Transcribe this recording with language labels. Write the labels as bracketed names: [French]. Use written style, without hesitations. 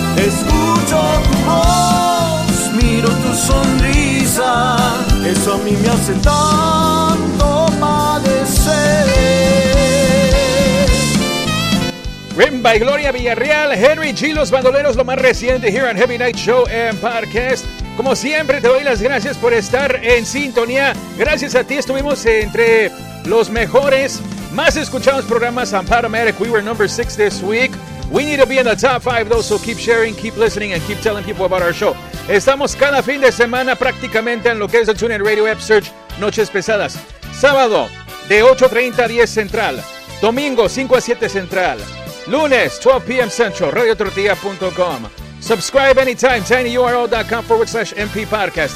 [Spanish] Escucho tu voz, miro tu sonrisa, eso a mí me hace tanto padecer. [English] Written by Gloria Villarreal, Henry G. Los Bandoleros, [Spanish] lo más reciente [English] here on Heavy Night Show and Podcast. [Spanish] Como siempre, te doy las gracias por estar en sintonía. Gracias a ti, estuvimos entre los mejores, más escuchados programas on Podomatic. [English] We were number 6 this week. We need to be in the top 5, though, so keep sharing, keep listening, and keep telling people about our show. [Spanish] Estamos cada fin de semana prácticamente en lo que es el TuneIn Radio App Search, Noches Pesadas. Sábado, de 8:30 a 10 Central. Domingo, 5 a 7 Central. Lunes, 12 p.m. Central, RadioTortilla.com. [English] Subscribe anytime, [Spanish] tinyurl.com/MP Podcast.